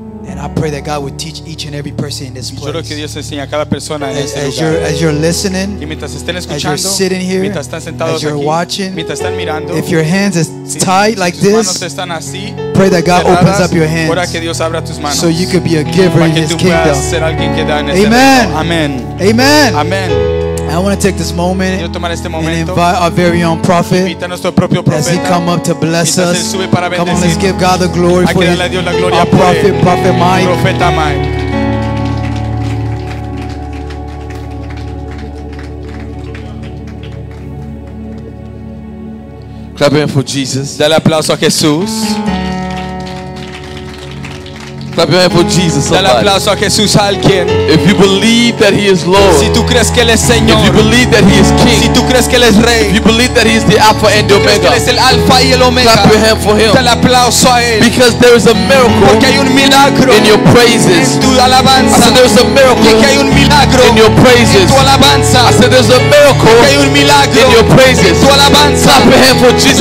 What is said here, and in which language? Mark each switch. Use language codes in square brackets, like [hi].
[en] And I pray that God would teach each and every person in this place. [es] Yo creo que Dios enseña a cada persona en este lugar. [en] As you're listening, [es] y mientras estén escuchando, [en] as you're sitting here, [es] mientras están sentados [en] as you're [es] aquí, [en] watching, [es] mientras están mirando, [en] if your hands is tight like this, [es] están así, [en] pray that God opens up your hands [es] que Dios abra tus manos, [en] so you could be a giver in His kingdom. [es] Ser alguien que da en este [en] Amen. Amen. Amen. Amen. I want to take this moment and invite our very own prophet as he come up to bless us. Come on, let's give God the glory for him. Our prophet, Prophet Mike. Clap him for Jesus. [es] Dale aplauso a Jesús. [en] Clap your hand for Jesus, somebody. [es] Dale aplauso a Jesús, alguien. [en] If you believe that He is Lord, [es] si tú crees que él es Señor, [en] if you believe that He is King, [es] si tú crees que él es Rey, [en] if you believe that He is the Alpha [es] si [en] and the Omega, [es] crees que él es el Alpha y el Omega, [en] clap your hand for Him. [es] Dale aplauso a él. [en] Because there is a miracle, [es] porque hay un milagro [en] in your praises. [es] En tu alabanza. [en] I said there is a miracle, [es] porque hay un milagro [en] in your praises. [es] En tu alabanza. [en] I said there is a miracle, [es] porque hay un milagro [en] in your praises. [es] En tu alabanza. [en] Clap your hand for Jesus,